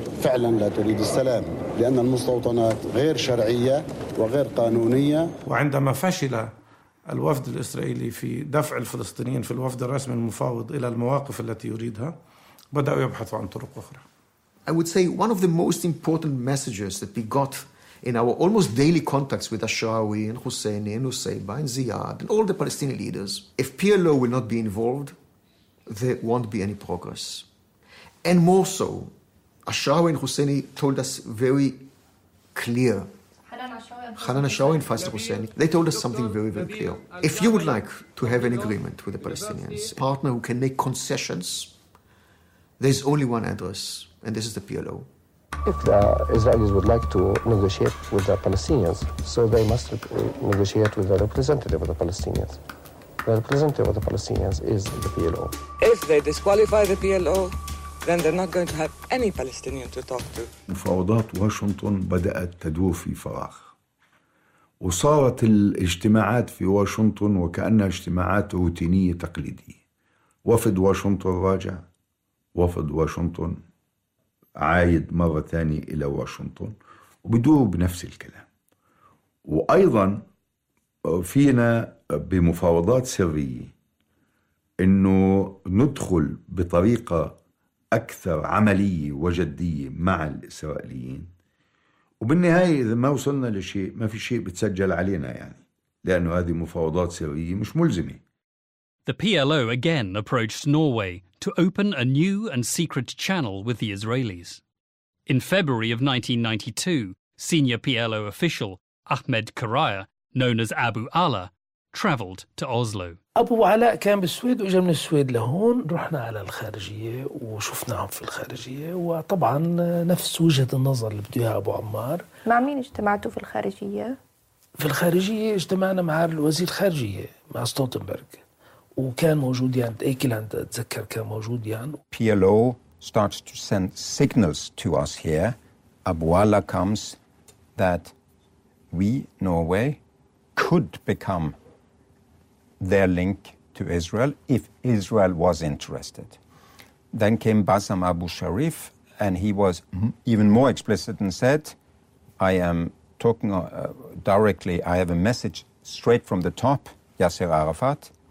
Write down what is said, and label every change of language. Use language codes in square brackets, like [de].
[ar] فعلا لا تريد السلام لأن المستوطنات غير شرعية وغير قانونية. وعندما فشل الوفد الإسرائيلي في دفع الفلسطينيين في الوفد الرسمي المفاوض إلى المواقف التي يريدها، بدأوا يبحثوا عن طرق أخرى. [en] I would say one of the most important messages that we got in our almost daily contacts with Ashrawi and Husseini and Nusseibeh and Ziyad and all the Palestinian leaders: if PLO will not be involved, there won't be any progress. And more so, Ashrawi and Husseini told us very clear. Hanan Ashrawi and Faisal Husseini, they told us something very, very clear. If you would like to have an agreement with the Palestinians, a partner who can make concessions, there's only one address, and this is the PLO. If the Israelis would like to negotiate with the Palestinians, so they must negotiate with the representative of the Palestinians. The representative of the Palestinians is the PLO. If they disqualify the PLO, then they're not going to have any Palestinian to talk to. [ar] مفاوضات واشنطن بدأت تدور في فراغ، وصارت الاجتماعات في واشنطن وكأنها اجتماعات روتينية تقليدية. وفد واشنطن راجع، وفد واشنطن عايد مرة ثانية إلى واشنطن، وبدور بنفس الكلام. وأيضا فينا بمفاوضات سرية إنه ندخل بطريقة أكثر عملية وجدية مع الإسرائيليين، وبالنهاية إذا ما وصلنا لشيء ما في شيء بتسجل علينا، يعني لأنه هذه مفاوضات سرية مش ملزمة. [en] The PLO again approached Norway to open a new and secret channel with the Israelis. In February of 1992, senior PLO official Ahmed Karaya, known as Abu Ala, traveled to Oslo. [ar] أبو علاء كان بالسويد وجا من السويد لهون، رحنا على الخارجية وشفناهم في الخارجية، وطبعا نفس وجهة النظر اللي بديها أبو عمار. مع مين اجتمعتوا في الخارجية؟ في الخارجية اجتمعنا مع الوزير الخارجية مع ستولتنبرغ، وكان موجود يعني إيكلاند أتذكر كان موجود يعني. [en] PLO starts to send signals to us here. Abuala comes that we, Norway, could become their link to Israel if Israel was interested. Then came Bassam Abu Sharif, and he was even more explicit and said, I am talking directly, I have a message straight from the top, Yasser Arafat.